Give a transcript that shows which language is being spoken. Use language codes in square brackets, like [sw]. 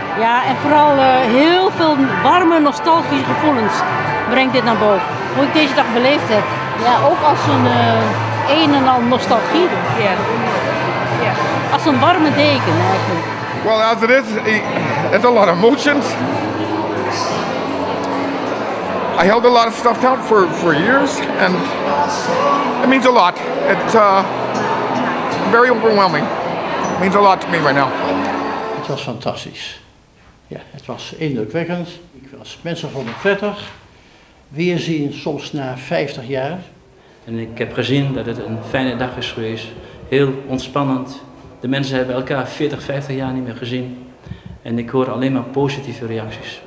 [nl] Ja, en vooral heel veel warme, nostalgische gevoelens brengt dit naar boven. Hoe ik deze dag beleefd heb. Ja, ook als een en al nostalgie. Ja. Als een warme deken eigenlijk. [en] Well, after this, it's a lot of emotions. I held a lot of stuff down for years and it means a lot. It's very overwhelming. It means a lot to me right now. [nl] Het was fantastisch. Ja, het was indrukwekkend. Ik was mensen vonden het prettig. Weerzien soms na 50 jaar. En ik heb gezien dat het een fijne dag is geweest. Heel ontspannend. De mensen hebben elkaar 40, 50 jaar niet meer gezien. En ik hoor alleen maar positieve reacties.